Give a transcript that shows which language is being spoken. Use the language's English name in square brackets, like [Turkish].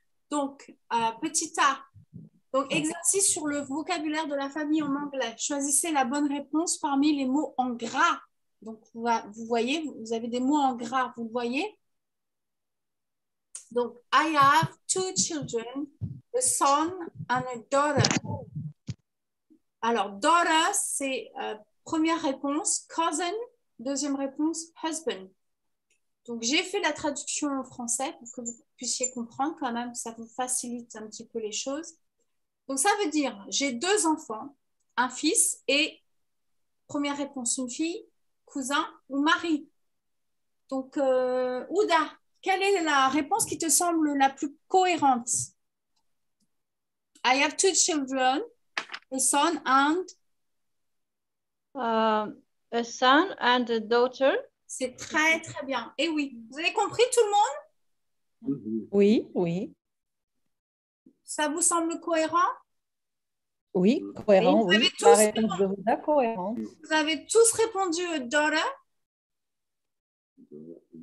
[French] Donc, petit A, donc exercice sur le vocabulaire de la famille en anglais. Choisissez la bonne réponse parmi les mots en gras. Donc, vous voyez, vous avez des mots en gras, vous le voyez? [English] Donc, I have two children, a son and a daughter. [French] Alors, daughter, c'est première réponse, cousin, deuxième réponse, husband. Donc, j'ai fait la traduction en français pour que vous puissiez comprendre quand même, ça vous facilite un petit peu les choses. Donc, ça veut dire, j'ai deux enfants, un fils et première réponse, une fille, cousin ou mari. Donc, Ouda. Quelle est la réponse qui te semble la plus cohérente? [English] I have two children, a son and a daughter. [French] C'est très, très bien. Et oui, vous avez compris tout le monde? Oui, oui. Ça vous semble cohérent? Oui, cohérent, oui. Vous avez tous répondu a daughter?